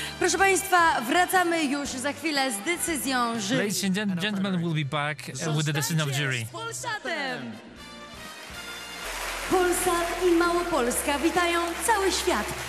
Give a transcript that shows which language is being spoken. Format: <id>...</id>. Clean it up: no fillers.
<pl>Proszę państwa, wracamy już za chwilę z decyzją jury.</pl> <en>Ladies and gentlemen, we'll be back with the decision of jury.</en> <pl>Polsatem! Polsat i Małopolska witają cały świat.</pl>